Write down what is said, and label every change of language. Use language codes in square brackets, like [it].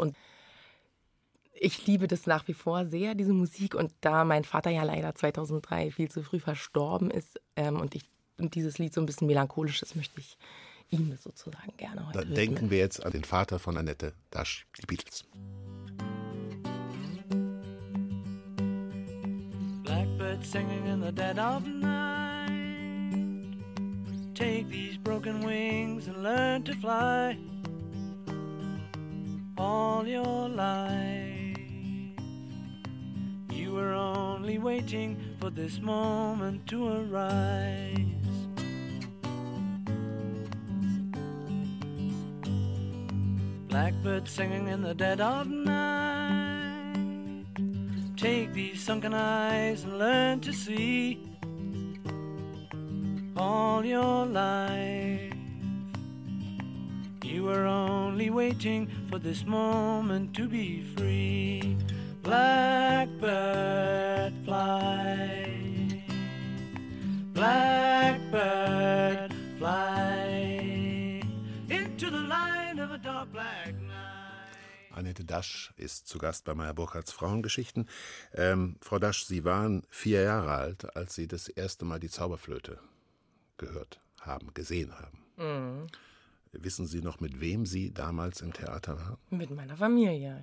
[de] Und ich liebe das nach wie vor sehr, diese Musik. Und da mein Vater ja leider 2003 viel zu früh verstorben ist und dieses Lied so ein bisschen melancholisch ist, möchte ich ihm sozusagen gerne heute widmen. Denken wir jetzt an den Vater von Annette Dasch, die Beatles. [en] Blackbird singing in the dead of night. Take these broken wings and learn to fly. All your life. You were only waiting for this moment to arrive. Blackbird singing in the dead of night. Take these sunken eyes and learn to see. All your life, you were only waiting for this moment to be free. Blackbird fly, blackbird fly, into the line of a dark black. [de] Annette Dasch ist zu Gast bei Meyer Burkhardts Frauengeschichten. Frau Dasch, Sie waren 4 Jahre alt, als Sie das erste Mal die Zauberflöte gehört haben, gesehen haben. Mhm. Wissen Sie noch, mit wem Sie damals im Theater waren? Mit meiner Familie.